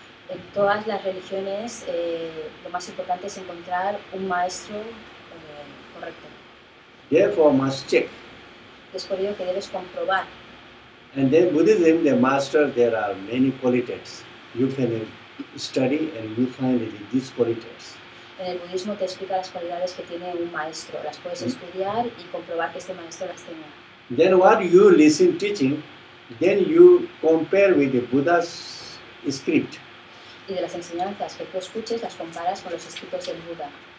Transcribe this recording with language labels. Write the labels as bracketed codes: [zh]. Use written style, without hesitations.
[es] En todas las religiones, lo más importante es encontrar un maestro correcto. [en] Therefore, must check. [es] Es por ello que debes comprobar. [en] And then Buddhism, the master, there are many qualities. You can study and you find these qualities. [es] En el budismo te explica las cualidades que tiene un maestro. Las puedes estudiar y comprobar que este maestro las tenga. [en] Then what you listen teaching, then you compare with the Buddha's script. [es] Y de las enseñanzas que tú escuches, las comparas con los escritos del Buda.